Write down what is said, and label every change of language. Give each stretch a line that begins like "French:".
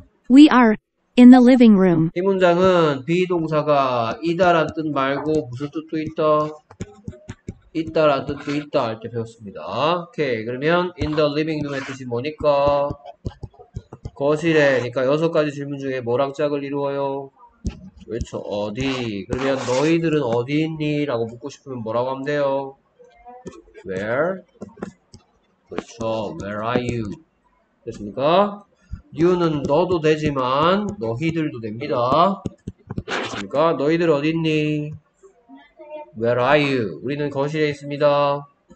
English: We are in the living room.
Korean: 이 문장은 be 동사가 이다란 뜻 말고 무슨 뜻도 있다. 있다라는 뜻도 있다 할 때 배웠습니다. 오케이 그러면
English: in the living room
Korean: 의 뜻이 뭐니까 거실에 그러니까 여섯 가지 질문 중에 뭐랑 짝을 이루어요? 그렇죠 어디 그러면 너희들은 어디 있니? 라고 묻고 싶으면 뭐라고 하면 돼요?
English: Where?
Korean: 그렇죠
English: Where are you?
Korean: 됐습니까? You는 너도 되지만 너희들도 됩니다. 됐습니까? 너희들 어디 있니?
English: Where are you?
Korean: 우리는 거실에 있습니다.